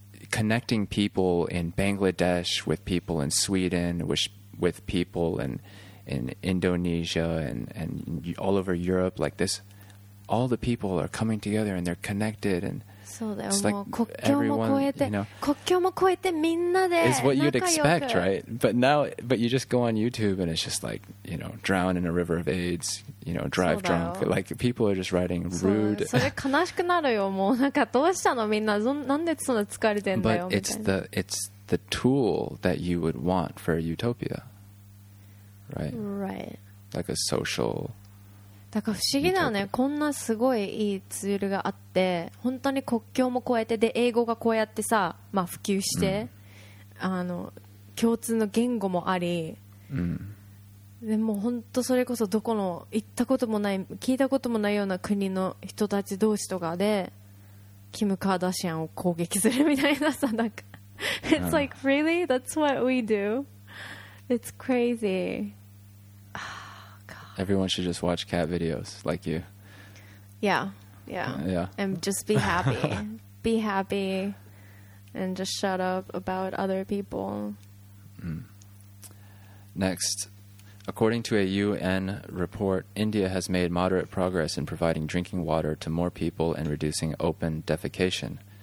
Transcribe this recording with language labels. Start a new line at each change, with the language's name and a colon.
English: Connecting people in Bangladesh with people in Sweden, with people in Indonesia and all over Europe, like this, all the people are coming together and they're connected. And
Japanese: そうだよ。Like、もう国境も超えて、
English: you know,
Japanese: 国境も超えてみんなで仲良く。
English: Is what you'd expect, right? But now, but you just go on YouTube and it's just like, you know, drown in a river of AIDS, you know, drive drunk. Like people are just writing rude.
Japanese: それ悲しくなるよ。もうなんかどうしたのみんな。なんでそんな疲れてんだよ。
English: But it's the tool that you would want for a utopia, right? Right. Like a social.
Japanese: だから不思議だよね。こんなすごいいいツールがあって、本当に国境も超えて、で英語がこうやってさ、まあ普及して、うん、あの共通の言語もあり、うん、でも本当それこそどこの行ったこともない聞いたこともないような国の人たち同士とかでキム・カーダシアンを攻撃するみたいなさ、なんか
English: It's like really? That's what we do? It's crazy. Everyone should just watch cat videos like you. Yeah, yeah. Yeah. And just be happy. Be happy. And just shut up about other people. Mm. Next. According to a UN report, India has made moderate progress in providing drinking water to more people and reducing open defecation.